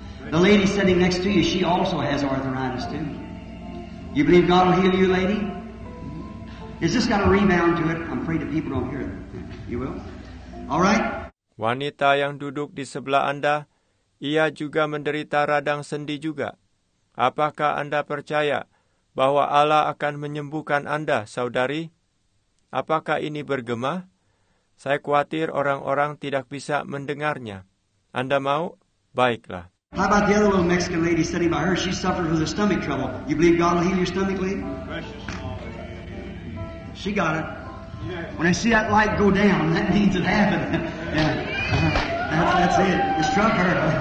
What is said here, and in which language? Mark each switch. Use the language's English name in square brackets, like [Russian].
[English] The lady sitting next to you, she also has arthritis too. You believe God will heal you, lady? Is this got a rebound to it? I'm afraid that people don't hear it. You will? All right. [Indonesian] Wanita yang duduk di sebelah Anda, ia juga menderita radang sendi juga. Apakah Anda percaya bahwa Allah akan menyembuhkan Anda, saudari? Apakah ini bergema? Saya khawatir orang-orang tidak bisa mendengarnya. Anda mau? Baiklah. [English] How about the other little Mexican lady sitting by her? She suffered with a stomach trouble. You believe God will heal your stomach, lady? She got it. When I see that light go down, that means it happened. Yeah. That's it. It struck her.